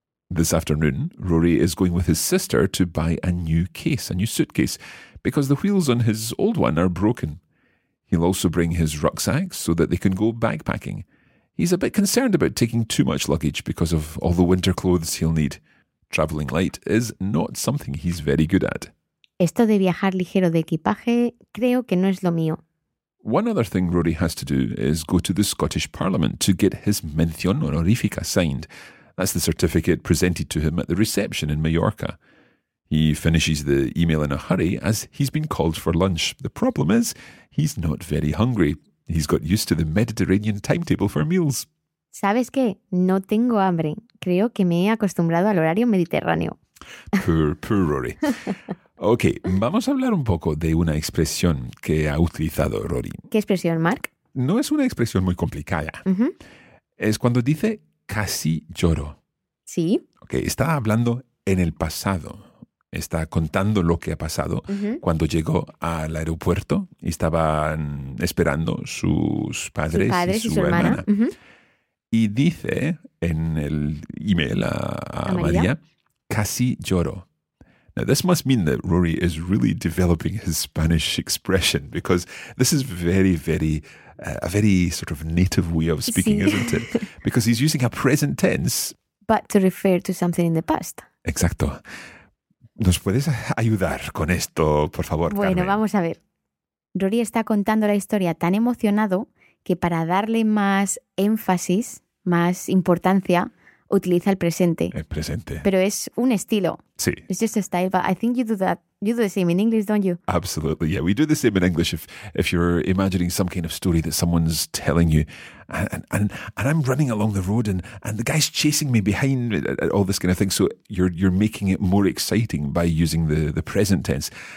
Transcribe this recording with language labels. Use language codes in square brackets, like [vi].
[en] This afternoon, Rory is going with his sister to buy a new case, a new suitcase, because the wheels on his old one are broken. He'll also bring his rucksack so that they can go backpacking. He's a bit concerned about taking too much luggage because of all the winter clothes he'll need. Travelling light is not something he's very good at. [es] Esto de viajar ligero de equipaje creo que no es lo mío. [en] One other thing Rory has to do is go to the Scottish Parliament to get his mención honorífica signed. That's the certificate presented to him at the reception in Mallorca. He finishes the email in a hurry as he's been called for lunch. The problem is, he's not very hungry. He's got used to the Mediterranean timetable for meals. [es] ¿Sabes qué? No tengo hambre. Creo que me he acostumbrado al horario mediterráneo. [en] Poor Rory. [es] Ok, vamos a hablar un poco de una expresión que ha utilizado Rory. ¿Qué expresión, Mark? No es una expresión muy complicada. Uh-huh. Es cuando dice casi lloro. Sí. Ok, está hablando en el pasado. Está contando lo que ha pasado cuando llegó al aeropuerto y estaban esperando sus padres, su hermana. Uh-huh. Y dice en el email a María, casi lloro. [en] Now, this must mean that Rory is really developing his Spanish expression because this is very, very, a very sort of native way of speaking, isn't it? Because he's using a present tense. But to refer to something in the past. [es] Exacto. ¿Nos puedes ayudar con esto, por favor, Bueno, Carmen? Vamos a ver. Rory está contando la historia tan emocionado que para darle más énfasis, más importancia, utiliza el presente. El presente. Pero es un estilo. Sí. [en] It's just a style, but I think you do that. You do the same in English, don't you? Absolutely, yeah. We do the same in English if you're imagining some kind of story that someone's telling you. And I'm running along the road and the guy's chasing me behind all this kind of thing. So you're making it more exciting by using the present tense.